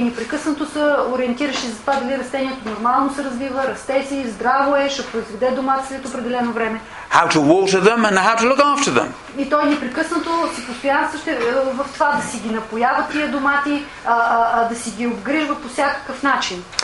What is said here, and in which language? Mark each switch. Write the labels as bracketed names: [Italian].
[Bulgarian] Непрекъснато се ориентираше за това дали растението нормално се развива, расте си, здраво е, ще произведе домата след определено време. [English] How to water them and how to look after them. [Bulgarian] И той непрекъснато си постоянстваше в това да си ги напоява тия домати, да си ги обгрижва по всякакъв начин.